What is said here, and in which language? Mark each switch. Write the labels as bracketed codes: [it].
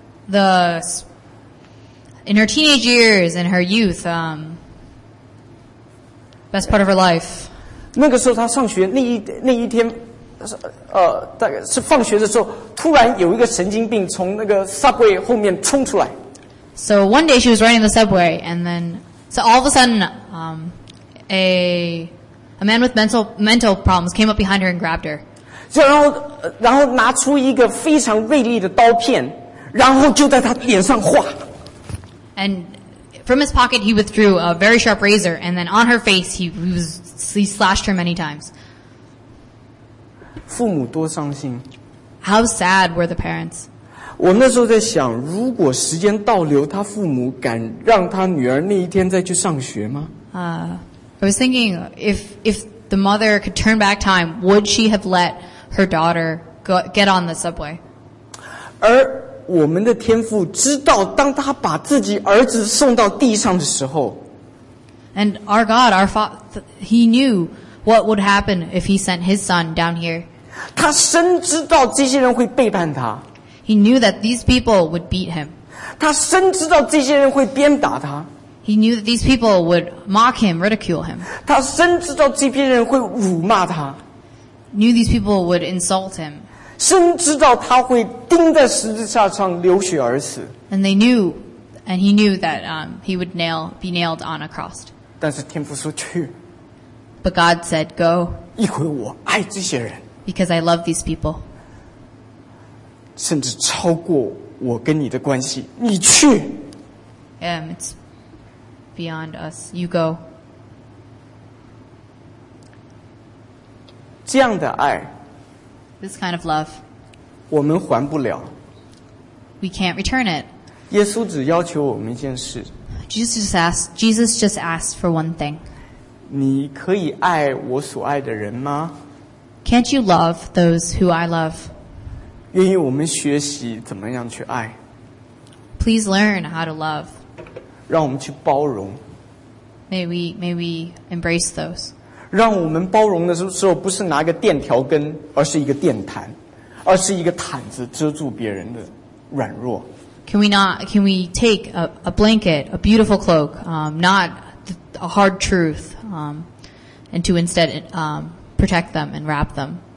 [en] In her teenage years, in her youth, best part of her life. [zh] 那个时候她上学那一天，大概是放学的时候，突然有一个神经病从那个 subway 后面冲出来。 [en] So one day she was riding the subway, and then so all of a sudden, a man with mental problems came up behind her and grabbed her. [zh] 然后拿出一个非常锐利的刀片，然后就在他脸上划。 [en] And from his pocket, he withdrew a very sharp razor, and then on her face, he slashed her many times. [zh] 父母多伤心。 [en] How sad were the parents? [zh] 我那时候在想，如果时间倒流，他父母敢让他女儿那一天再去上学吗？ [en] I was thinking, if the mother could turn back time, would she have let her daughter get on the subway? [zh] 而我们的天父知道，当他把自己儿子送到地上的时候。 [en] And our God, our Father, He knew what would happen if He sent His Son down here. [zh] 他深知道这些人会背叛他。 [en] He knew that these people would beat Him. [zh] 他深知道这些人会鞭打他。 [en] He knew that these people would mock Him, ridicule Him. [zh] 他深知道这些人会辱骂他。 [en] Knew these people would insult Him. [zh] 深知道他会钉在十字架上流血而死。 [en] And they knew, and he knew that he would be nailed on a cross. [zh] 但是天父说去。 [en] But God said, go. [zh] 因为我爱这些人。 [en] Because I love these people. [zh] 甚至超过我跟你的关系，你去。 [en] It's beyond us. You go. [zh] 这样的爱。 [en] This kind of love. [zh] 我们还不了。 [en] We can't return it. [zh] 耶稣只要求我们一件事。 [en] Jesus just asked for one thing. [zh] 你可以爱我所爱的人吗？ [en] Can't you love those who I love? [zh] 愿意我们学习怎么样去爱。 [en] Please learn how to love. [zh] 让我们去包容。 [en] May we embrace those. [zh] 让我们包容的时候不是拿个电条根而是一个电毯而是一个毯子遮住别人的软弱 [en] can we take a blanket a beautiful cloak not a hard truth and to instead protect them and wrap them